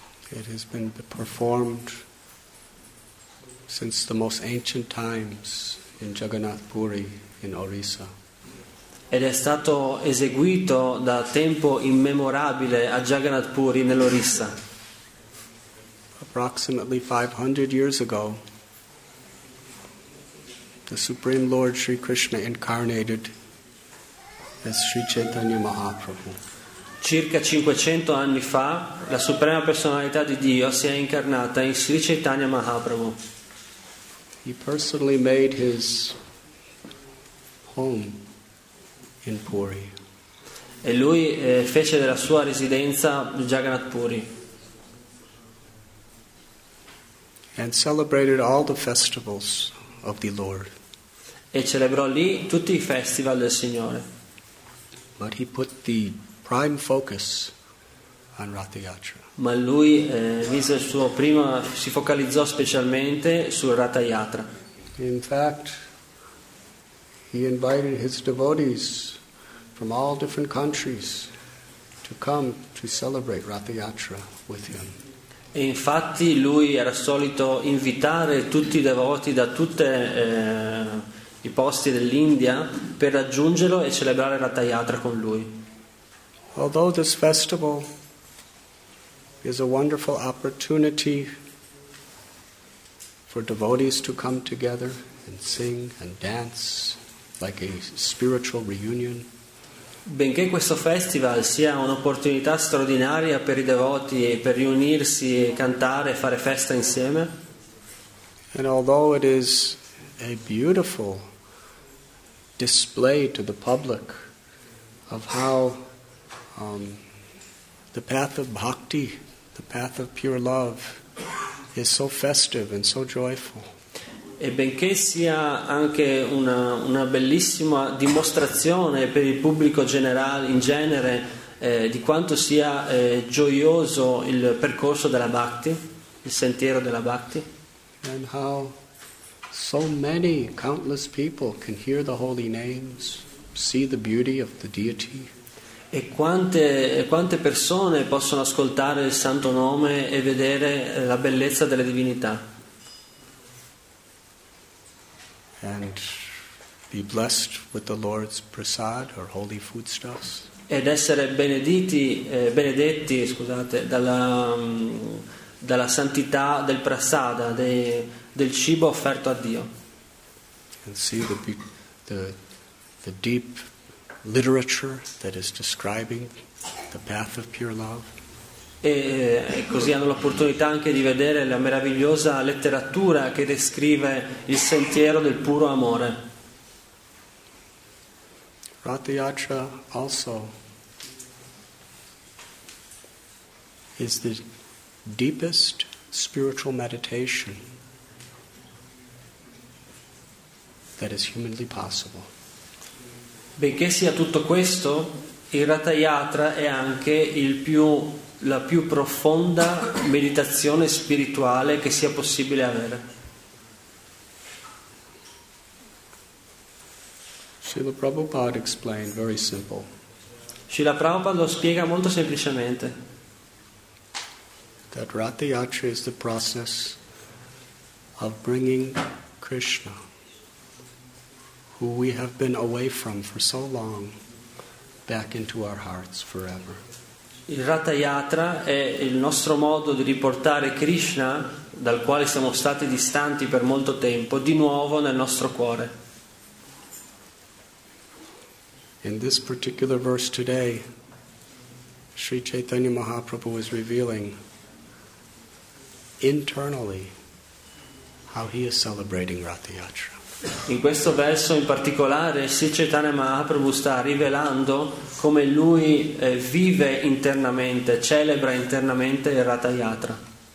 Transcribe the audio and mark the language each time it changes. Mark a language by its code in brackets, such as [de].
[en] It has been performed since the most ancient times in Jagannath Puri in Orissa. [it] Ed è stato eseguito da tempo immemorabile a Jagannath Puri nell'Orissa. [en] Approximately 500 years ago, the Supreme Lord Sri Krishna incarnated as Sri Chaitanya Mahaprabhu. [it] Circa 500 anni fa, la Suprema Personalità di Dio si è incarnata in Sri Chaitanya Mahaprabhu. [en] He personally made his home in Puri. [it] E lui fece della sua residenza Jagannath Puri. [en] And celebrated all the festivals of the Lord. [it] E celebrò lì tutti i festival del Signore. [en] But he put the prime focus on Ratha Yatra. [it] Ma lui mise il suo prima si focalizzò specialmente sul Ratha Yatra. [en] In fact, he invited his devotees from all different countries to come to celebrate Ratha Yatra with him. [it] E infatti lui era solito invitare tutti i devoti da tutte i posti dell'India per raggiungerlo e celebrare Ratha Yatra con lui. [en] Although this festival is a wonderful opportunity for devotees to come together and sing and dance like a spiritual reunion. [it] Benché questo festival sia un'opportunità straordinaria per i devoti per riunirsi e cantare e fare festa insieme. [en] And although it is a beautiful display to the public of how the path of bhakti, the path of pure love, is so festive and so joyful. [it] E benché sia anche una bellissima dimostrazione per il pubblico generale in genere di quanto sia gioioso il percorso della bhakti, il sentiero della bhakti. [en] And how so many countless people can hear the holy names, see the beauty of the deity. [it] E quante persone possono ascoltare il santo nome e vedere la bellezza delle divinità. [en] And be blessed with the Lord's prasad or holy foodstuffs. [it] Ed essere benediti, benedetti, scusate, dalla santità del prasada, del cibo offerto a Dio. [en] And see the deep literature that is describing the path of pure love. [it] E così hanno l'opportunità anche di vedere la meravigliosa letteratura che descrive il sentiero del puro amore. [en] Ratha Yatra also is the deepest spiritual meditation that is humanly possible. [it] Benché sia tutto questo, il Ratha Yatra è anche la più profonda meditazione spirituale che sia possibile avere. [en] Srila Prabhupada explained very simple. [it] Srila Prabhupada lo spiega molto semplicemente. [en] That Ratha Yatra is the process of bringing Krishna, who we have been away from for so long, back into our hearts forever. [it] Il Ratha Yatra è il nostro modo di riportare Krishna, dal quale siamo stati distanti per molto tempo, di nuovo nel nostro cuore. [en] In this particular verse today, Sri Chaitanya Mahaprabhu is revealing internally how he is celebrating Ratha Yatra. [it] In questo verso in particolare Sri Chaitanya Mahaprabhu sta rivelando come lui vive internamente, celebra internamente il Ratha Yatra.